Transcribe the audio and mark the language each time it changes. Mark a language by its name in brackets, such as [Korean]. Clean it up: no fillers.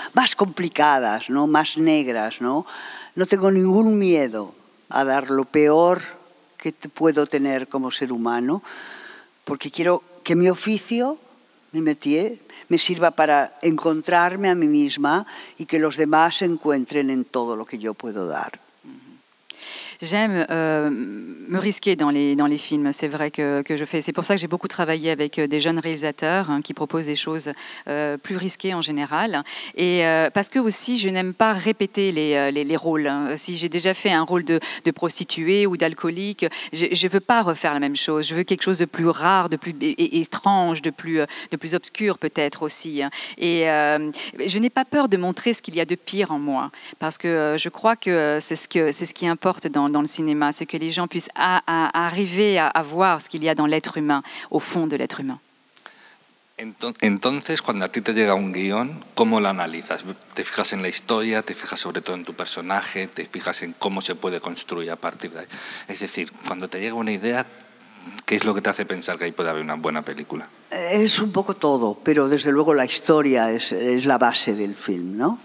[Spanish] Más complicadas, ¿no? Más negras, ¿no? No tengo ningún miedo a dar lo peor que puedo tener como ser humano, porque quiero que mi oficio, mi métier, me sirva para encontrarme a mí misma y que los demás se encuentren en todo lo que yo puedo dar. [French] J'aime me risquer dans les films, c'est vrai que je fais. C'est pour ça que j'ai beaucoup travaillé avec des jeunes réalisateurs hein, qui proposent des choses plus risquées en général. Et parce que aussi, je n'aime pas répéter les rôles. Si j'ai déjà fait un rôle de prostituée ou d'alcoolique, je ne veux pas refaire la même chose. Je veux quelque chose de plus rare, de plus étrange, de plus obscur peut-être aussi. Et je n'ai pas peur de montrer ce qu'il y a de pire en moi. Parce que je crois que c'est ce qui importe dans le cinéma, c'est que les gens puissent arriver à voir ce qu'il y a dans l'être humain, au fond de l'être humain. [Spanish] Entonces, cuando a ti te llega un guion, ¿cómo lo analizas? ¿Te fijas en la historia, te fijas sobre todo en tu personaje, te fijas en cómo se puede construir a partir de ahí? Es decir, cuando te llega una idea, ¿qué es lo que te hace pensar que ahí puede haber una buena película? Es un poco todo, pero desde luego la historia es la base del film, ¿no?